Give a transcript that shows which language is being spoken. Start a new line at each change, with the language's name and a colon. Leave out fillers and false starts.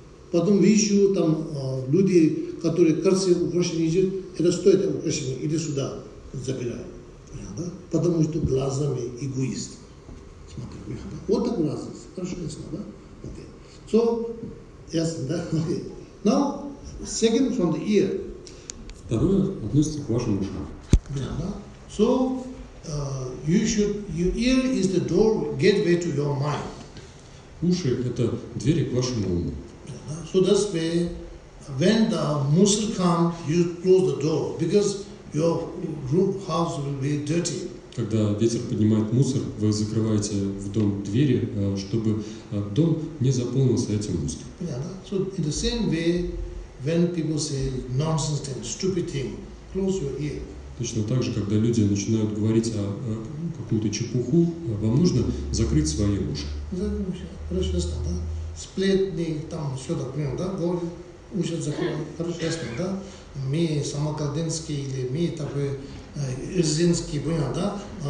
Russian: Потом вижу там люди, которые красивые украшения идут, это стоит украшения, иди сюда, забирай. Потому что глазами эгоист. Смотри, вот так глаза. Хорошо, ясно, да? Okay.
English: So,
Russian: ясно, да?
English: Okay. Now, second from the ear.
Russian: Второе относится к вашим ушам. Да.
English: So, your ear is the door, gateway to your mind.
Russian: Уши – это двери к вашему уму.
English: So, that's why, when the muscle comes, you close the door, because your house will be dirty.
Russian: Когда ветер поднимает мусор, вы закрываете в дом двери, чтобы дом не заполнился этим мусором.
English: So in the same way, when people say nonsense and stupid thing, close your ear.
Russian: Точно так же, когда люди начинают говорить о какую-то чепуху, вам нужно закрыть свои уши. Закрыть уши. Хорошо, ясно, да? Сплетни, там все так, понял, да? Говорят, уши закрывают. Хорошо, ясно, да? Мы самокаденские или мы такой эрзинский, понял, да?